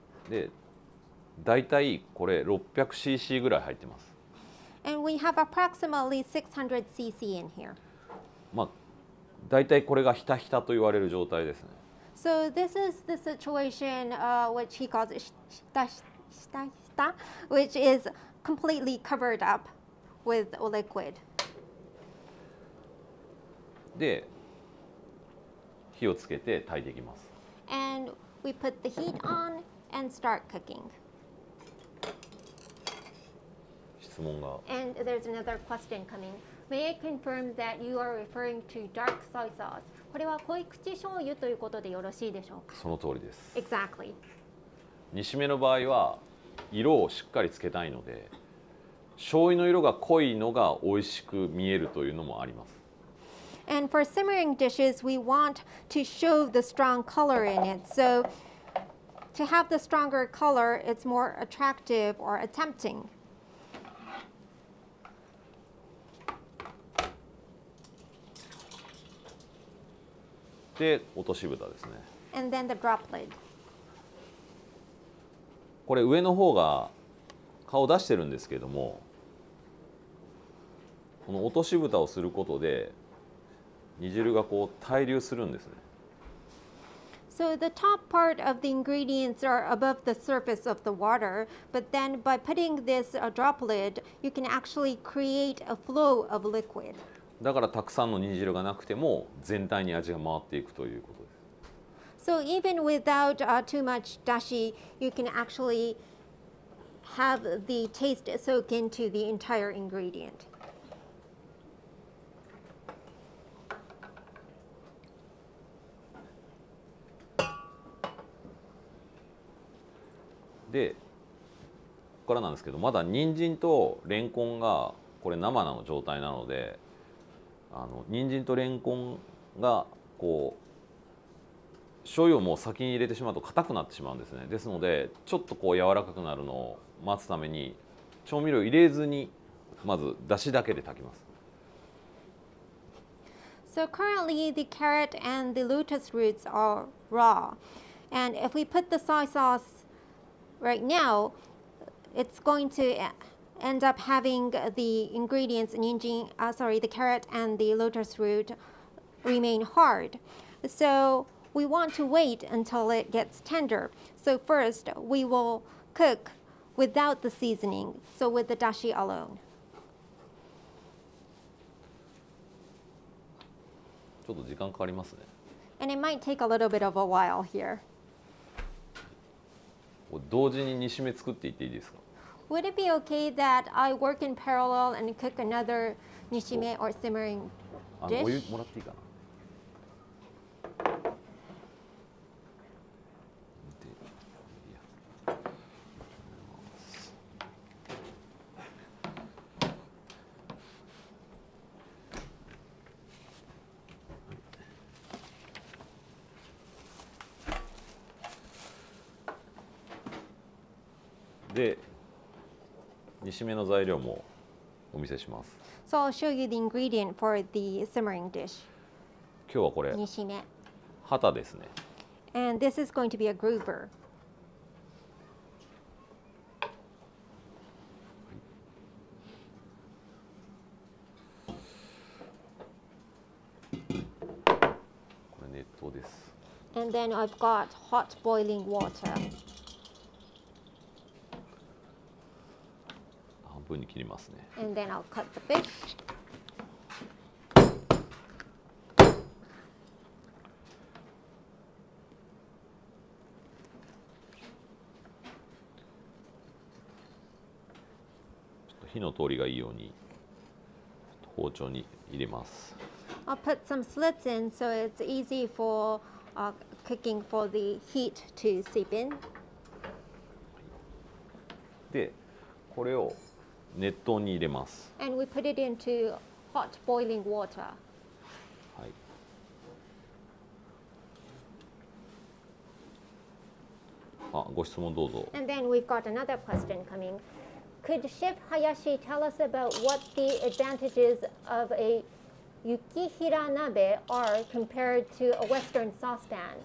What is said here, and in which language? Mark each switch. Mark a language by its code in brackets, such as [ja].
[ja] で、だいたいこれ 600cc ぐらい入ってます。 [en] And we have approximately 600 cc in here. [ja] まあ、だいたいこれがひたひたと言われる状態ですね。 [en] So this is the situation which he calls ひたひた, which is completely covered up with liquid. [ja] で、火をつけて炊いていきます。 [en] And we put the heat on and start cooking. And there's another question coming. May I confirm that you are referring to dark soy sauce? [ja] これは濃い口醤油ということでよろしいでしょうか？その通りです。 [en] Exactly. [ja] 煮しめの場合は色をしっかりつけたいので、醤油の色が濃いのが美味しく見えるというのもあります。 [en] And for simmering dishes, we want to show the strong color in it. So to have the stronger color, it's more attractive or tempting. [ja] で、落とし蓋ですね。 [en] And then the drop lid. [ja] これ上の方が顔出してるんですけれども、この落とし蓋をすることで煮汁がこう滞留するんですね。 [en] So the top part of the ingredients are above the surface of the water, but then by putting this drop lid, you can actually create a flow of liquid. [ja] だからたくさんの煮汁がなくても全体に味が回っていくということです。 [en] So even without too much dashi, you can actually have the taste soak into the entire ingredient. [ja] で、ここからなんですけど、まだ人参とレンコンがこれ生の状態なので。人参とレンコンがこう醤油をもう先に入れてしまうと硬くなってしまうんですね。ですのでちょっとこう柔らかくなるのを待つために調味料入れずにまず出汁だけで炊きます。 [en] So currently the carrot and the lotus roots are raw, and if we put the soy sauce right now, it's going to end up having the ingredients, the carrot and the lotus root remain hard. So we want to wait until it gets tender. So first, we will cook without the seasoning, so with the dashi alone. [ja] ちょっと時間かかりますね。 [en] And it might take a little bit of a while here. [ja] 同時に煮しめ作っていっていいですか？ [en] Would it be okay that I work in parallel and cook another nishime or simmering dish? [ja] お湯もらっていいかな。で、煮しめの材料もお見せします。 [en] So I'll show you the ingredient for the simmering dish. [ja] 今日はこれ、煮しめ。ハタですね。 [en] And this is going to be a grouper. [ja] これ熱湯です。 [en] And then I've got hot boiling water. [ja] 半分に切りますね。 [en] And then I'll cut the fish. [ja] 火の通りがいいように包丁に入れます。 [en] I'll put some slits in so it's easy for cooking for the heat to seep in. [ja] で、これを熱湯に入れます。 [en] And we put it into hot boiling water. [ja] はい。あ、ご質問どうぞ。 [en] And then we've got another question coming. Could Chef Hayashi tell us about what the advantages of a yukihira nabe are compared to a Western saucepan?